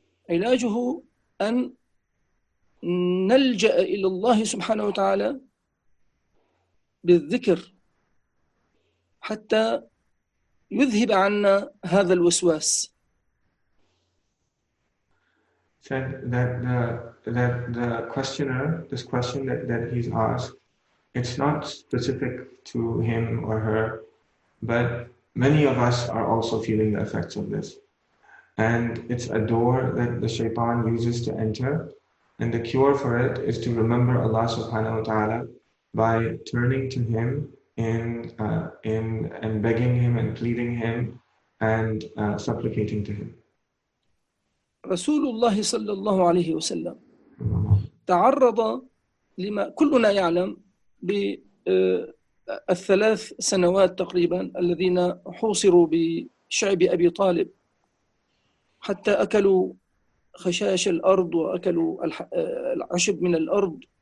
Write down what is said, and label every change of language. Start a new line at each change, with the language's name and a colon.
Arabic: علاجه أن نلجأ إلى الله سبحانه وتعالى بالذكر حتى يذهب عنا هذا الوسواس.
English: Said that the questioner, this question that he's asked, it's not specific to him or her, but many of us are also feeling the effects of this. And it's a door that the shaitan uses to enter, and the cure for it is to remember Allah subhanahu wa ta'ala by turning to him and begging him and pleading him and supplicating to him.
Arabic: رسول الله صلى الله عليه وسلم تعرض لما كلنا يعلم بالثلاث سنوات تقريبا الذين حوصروا بشعب أبي طالب حتى أكلوا خشاش الأرض وأكلوا العشب من الأرض.